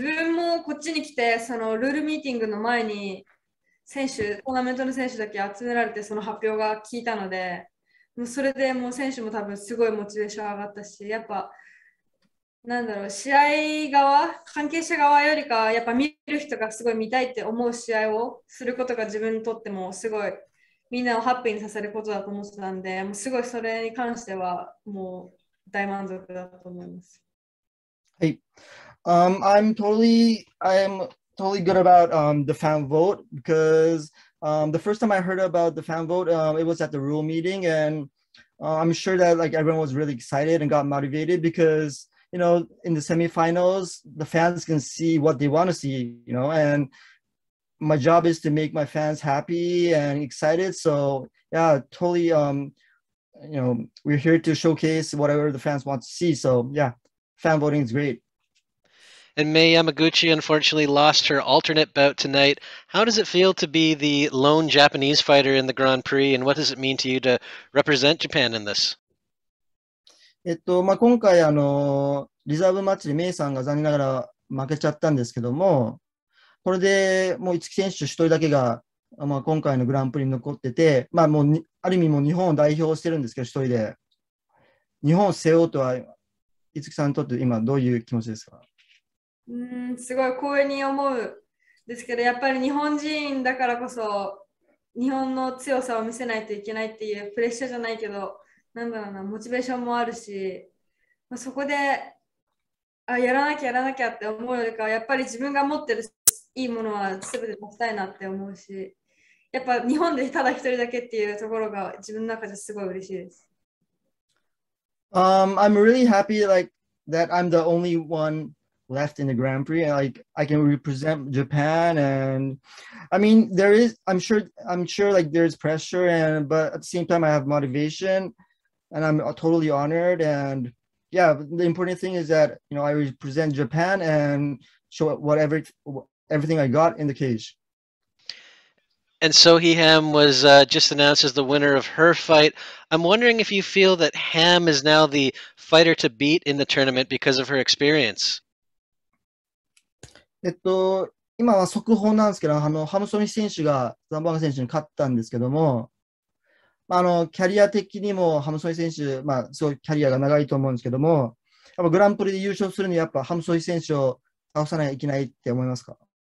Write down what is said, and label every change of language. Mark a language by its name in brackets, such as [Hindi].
[Japanese] 自分もこっちに来て、そのルールミーティングの前に選手、トーナメントの選手だけ集められて、その発表が聞いたので、もうそれでもう選手も多分すごいモチベーション上がったし、やっぱ、なんだろう、試合側、関係者側よりか、やっぱ見る人がすごい見たいって思う試合をすることが自分にとってもすごい、みんなをハッピーにさせることだと思ってたんで、もうすごいそれに関してはもう大満足だと思います。 [English] Hey, I'm totally good about the fan vote because the first time I heard about the fan vote, it was at the rule meeting, and I'm sure that like everyone was really excited and got motivated because you know in the semifinals the fans can see what they want to see, you know, and my job is to make my fans happy and excited. So yeah, totally. You know, we're here to showcase whatever the fans want to see. So yeah, fan voting is great. And Mei Yamaguchi unfortunately lost her alternate bout tonight. How does it feel to be the lone Japanese fighter in the Grand Prix, and what does it mean to you to represent Japan in this? [Japanese] まあ、今回リザーブマッチでメイさんが残念ながら負けちゃったんですけども、これでもう五木選手一人だけが、まあ、今回のグランプリに残ってて、まあ、もうある意味もう日本を代表してるんですけど、一人で。日本を背負うとは、五木さんにとって今どういう気持ちですか？すごい光栄に思うですけど、やっぱり日本人だからこそ日本の強さを見せないといけないっていうプレッシャーじゃないけど、なんだろうな、モチベーションもあるし、まあ、そこで、あ、やらなきゃやらなきゃって思うよりか、やっぱり自分が持ってるいいものは全て出したいなって思うし、やっぱ日本でただ一人だけっていうところが自分の中ですごい嬉しいです。 [English] I'm really happy like that I'm the only oneLeft in the Grand Prix, and like I can represent Japan, and I mean there is, I'm sure like there's pressure, and but at the same time I have motivation, and I'm totally honored, and yeah, the important thing is that you know I represent Japan and show whatever everything I got in the cage. And Sohee Ham was just announced as the winner of her fight. I'm wondering if you feel that Ham is now the fighter to beat in the tournament because of her experience. [Japanese] 今は速報なんですけど、ハムソニー選手がザンバーガー選手に勝ったんですけども、キャリア的にもハムソニー選手、まあ、すごいキャリアが長いと思うんですけども、やっぱグランプリで優勝するにはやっぱハムソニー選手を倒さないといけないって思いますか？